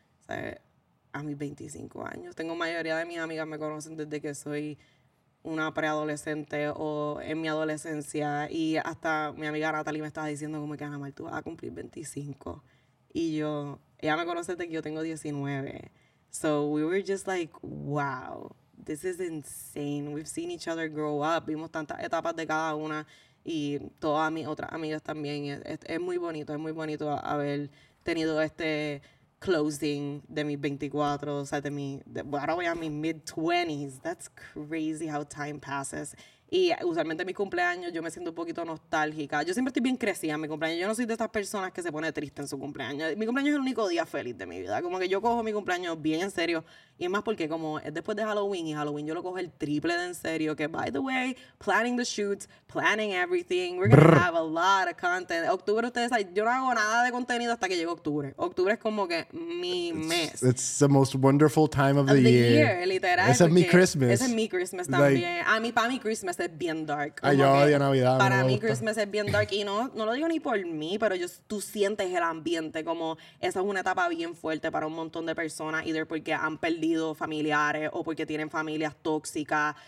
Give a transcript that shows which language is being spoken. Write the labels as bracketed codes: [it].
[es] ¿Sabes? A mis 25 años. Tengo mayoría de mis amigas me conocen desde que soy una preadolescente o en mi adolescencia. Y hasta mi amiga Natalie me estaba diciendo como que, Anamar, tú vas a cumplir 25. Y yo, ella me conoce desde que yo tengo 19. [en] So we were just like, wow, this is insane. We've seen each other grow up. [es] Vimos tantas etapas de cada una. Y todas mis otras amigas también. Es muy bonito, es muy bonito haber tenido este closing de mis 24, o sea, ahora voy a mis mid-20s. [en] That's crazy how time passes. [es] Y usualmente mi cumpleaños yo me siento un poquito nostálgica. Yo siempre estoy bien crecida en mi cumpleaños. Yo no soy de estas personas que se pone triste en su cumpleaños. Mi cumpleaños es el único día feliz de mi vida. Como que yo cojo mi cumpleaños bien en serio. Y es más porque como es después de Halloween, y Halloween yo lo cojo el triple de en serio. [en] Que, by the way, planning the shoots, planning everything. We're gonna have a lot of content. [es] Octubre, ustedes saben, yo no hago nada de contenido hasta que llegue octubre. Octubre es como que mi mes. [en] It's the most wonderful time of the year. [es] Literal. Ese es mi Christmas. Ese es mi Christmas también. Like, a mí, para mí, Christmas es bien dark. Ay, yo odio Navidad. Para mí Christmas es bien dark y no lo digo ni por mí, pero tú sientes el ambiente como esa es una etapa bien fuerte para un montón de personas, either porque han perdido familiares o porque tienen familias tóxicas.